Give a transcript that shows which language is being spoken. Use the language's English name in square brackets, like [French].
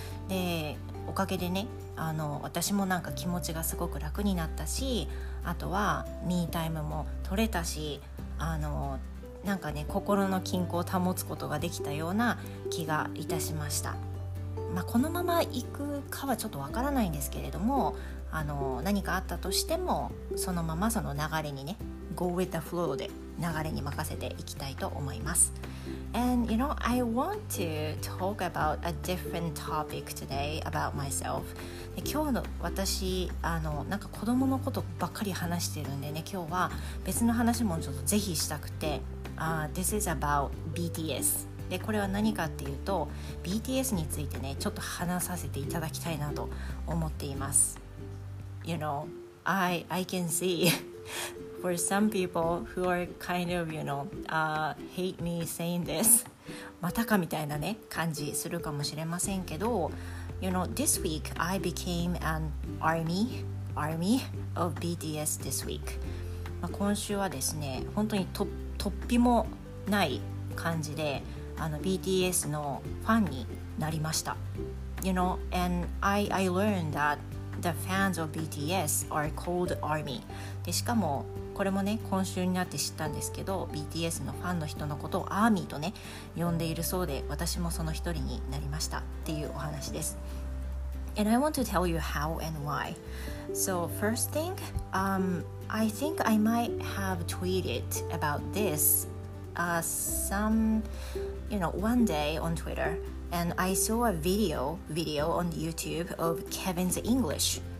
[Japanese] で、おかげでね、私もなんか気持ちがすごく楽になったし、あとはミータイムも取れたし、なんかね、心の均衡を保つことができたような気がいたしました。まあ、このまま行くかはちょっとわからないんですけれども、何かあったとしても、そのままその流れにね、 [English] Go with the flow [Japanese] で流れに任せていきたいと思います。 [English] And you know, I want to talk about a different topic today about myself. [Japanese] 今日の私、なんか子供のことばっかり話してるんでね、今日は別の話もちょっとぜひしたくて、 [English] This is about BTS. [Japanese] で、これは何かっていうと、 BTS についてね、ちょっと話させていただきたいなと思っています。 [English] You know, I can see for some people who are kind of, you know, hate me saying this. [Japanese] またかみたいなね、感じするかもしれませんけど、 [English] You know, this week I became an army of BTS this week. [Japanese] まあ、今週はですね、本当に突飛もない感じで、BTS のファンになりました。 [English] You know, and I learned that the fans of BTS are called army. [Japanese] で、しかもこれもね、今週になって知ったんですけど、 BTS のファンの人のことをアーミーとね、呼んでいるそうで、私もその一人になりましたっていうお話です。 [English] And I want to tell you how and why. So first thing, I think I might have tweeted about this one day on Twitter, and I saw a video on YouTube of Kevin's English.